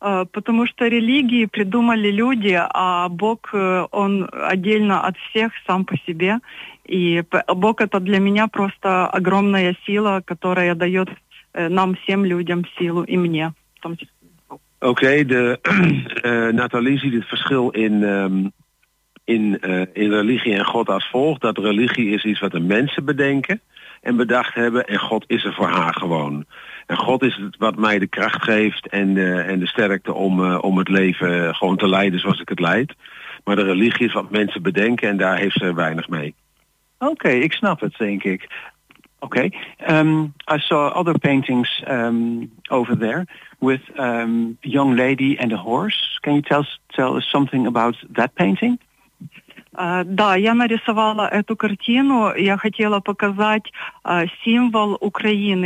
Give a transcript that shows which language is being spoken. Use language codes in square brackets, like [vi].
[ru] Потому что религии придумали люди, а Бог, он отдельно от всех, сам по себе. И Бог это для меня просто огромная сила, которая дает нам всем людям силу, и мне. [nl] Окей, Натали ziet het verschil in religie en God als volgt. Dat religie is iets wat de mensen bedenken en bedacht hebben en God is er voor haar gewoon. En God is het wat mij de kracht geeft en de sterkte om het leven gewoon te leiden zoals ik het leid. Maar de religie is wat mensen bedenken en daar heeft ze weinig mee. Oké, ik snap het, denk ik. [en] Oké, I saw other paintings over there with young lady and a horse. Can you tell us something about that painting? [ru] Да, я нарисовала эту картину. Я хотела показать символ Украины.